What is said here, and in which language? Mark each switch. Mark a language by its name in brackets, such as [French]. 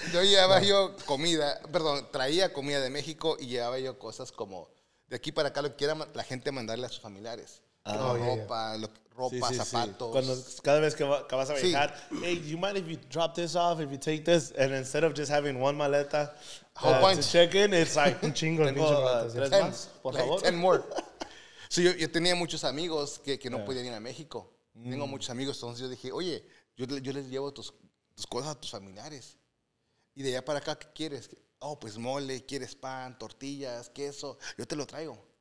[Spanish] Yo llevaba yo comida, perdón, traía comida de México y llevaba yo cosas como de aquí para acá, lo que quiera la gente mandarle a sus familiares. Oh, ropa, yeah, yeah. Ropa, sí, sí, zapatos. Sí. Cuando, cada vez que vas a viajar, sí. [English] Hey, do you mind if you drop this off, if you take this? And instead of just having one maleta to check in, it's like, [Spanish] un chingo. Tengo tres más, por favor. [English] Ten more. [Spanish] So yo tenía muchos amigos que no podían ir a México. Mm. Tengo muchos amigos, entonces yo dije, oye, yo les llevo tus cosas a tus familiares. Y de allá para acá, ¿qué quieres? Oh, pues mole, ¿quieres pan, tortillas, queso? Yo te lo traigo.